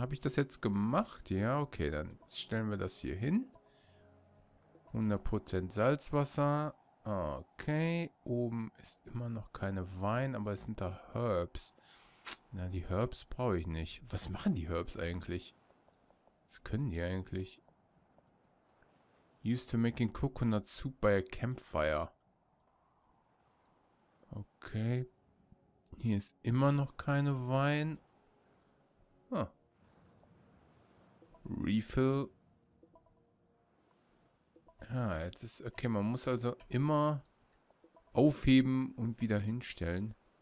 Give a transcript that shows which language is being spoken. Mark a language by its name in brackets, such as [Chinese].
[German] Habe ich das jetzt gemacht? Ja, okay, dann stellen wir das hier hin. 100% Salzwasser. Okay, oben ist immer noch keine Wein, aber es sind da Herbs. Na, die Herbs brauche ich nicht. Was machen die Herbs eigentlich? Was können die eigentlich? [English] Used to making coconut soup by a campfire. Okay. [German] Hier ist immer noch keine Wein. [English] Refill. [German] Ja, jetzt ist. Okay, man muss also immer aufheben und wieder hinstellen.